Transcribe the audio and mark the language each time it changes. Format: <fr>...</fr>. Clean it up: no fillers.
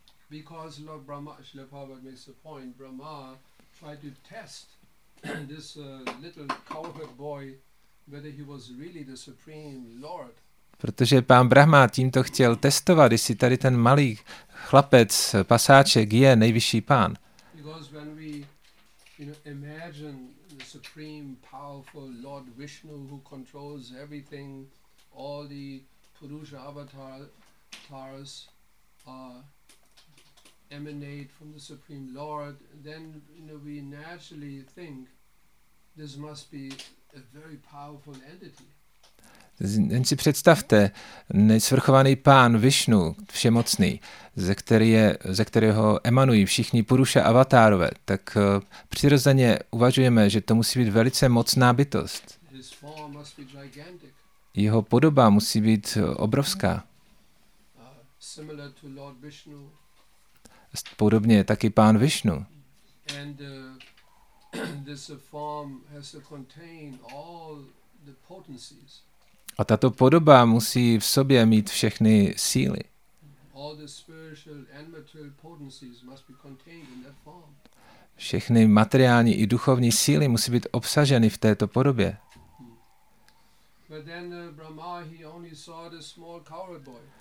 <en>Because Lord Brahma, Srila Prabhupada makes a point, Brahma tried to test this little cowherd boy whether he was really the supreme lord.</en> <cs>Protože pán Brahma tímto chtěl testovat, jestli tady ten malý chlapec, pasáček je nejvyšší pán.</cs> <en>Because when we, you know, imagine the supreme powerful Lord Vishnu who controls everything, all the Purusha avatars are emanate from the Supreme Lord, then, you know, we naturally think this must be a very powerful entity.</en> <cs>Jen si představte, nejsvrchovaný pán Vishnu, všemocný, ze kterého emanují všichni Purusha avatárové, tak přirozeně uvažujeme, že to musí být velice mocná bytost.</cs> <en>His form must be gigantic.</en> <cs>Jeho podoba musí být obrovská.</cs> <en>Similar to Lord Vishnu.</en> <cs>Podobně taky pán Vishnu.</cs> <en>And, this form has to contain all the potencies.</en> <cs>A tato podoba musí v sobě mít všechny síly.</cs> <en>All the spiritual and material potencies must be contained in that form.</en> <cs>Všechny materiální i duchovní síly musí být obsaženy v této podobě.</cs> <en>But then, Brahma, he only saw the small coward boy.</en>